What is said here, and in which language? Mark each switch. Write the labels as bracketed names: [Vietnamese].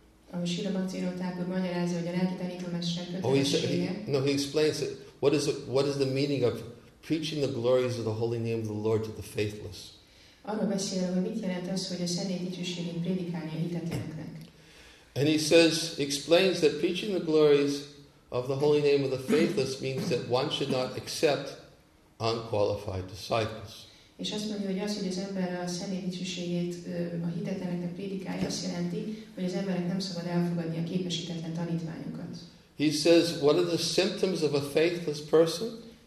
[Hungarian] Ami Srila Bhaktivinoda Thakur magyarázza, hogy a lelki tanítómester kötelessége. [English] No, he explains it. What is the meaning of preaching the glories of the holy name of the Lord to the faithless. [Hungarian] Arról beszél, hogy mit jelent az, hogy a szentély dicsőségét prédikálni a hitetleneknek. [English] And he says, explains that preaching the glories of the holy name of the faithless means that one should not accept unqualified disciples. [Hungarian] És azt mondja, hogy az, hogy az ember a szentély dicsőségét a hitetleneknek prédikálja, azt jelenti, hogy az emberek nem szabad elfogadni a képesítetlen tanítványokat. [English] He says, what are the symptoms of a faithless person?